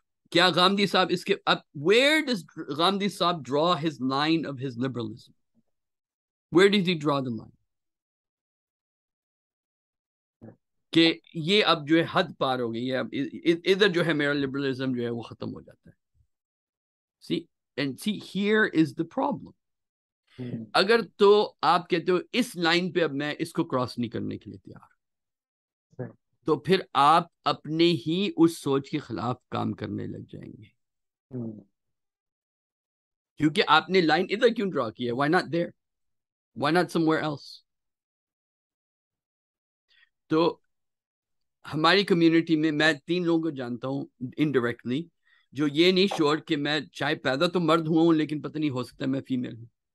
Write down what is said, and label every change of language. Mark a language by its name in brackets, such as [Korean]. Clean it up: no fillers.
[Urdu] کیا غامدی صاحب اس کے, اب [English] where does Ghamidi صاحب draw his line of his liberalism, where does he draw the line [Urdu] کہ یہ اب جو ہے حد پار ہو گئی ہے, اب ادھر جو ہے میرا لبرلزم جو ہے وہ ختم ہو جاتا ہے. [English] See and see here is the problem. [Urdu] اگر تو آپ کہتے ہو اس لائن پہ اب میں اس کو کراس نہیں کرنے کے لیے تیار, تو پھر آپ اپنے ہی اس سوچ کے خلاف کام کرنے لگ جائیں گے. کیونکہ آپ نے لائن ادھر کیوں ڈرا کی ہے, [English] Why not there, why not somewhere else? [Urdu] تو ہماری کمیونٹی میں میں تین لوگوں کو جانتا ہوں انڈائریکٹلی جو یہ نہیں شور کہ میں چاہے پیدا تو مرد ہوا ہوں لیکن پتہ نہیں ہو سکتا میں فیمیل ہوں.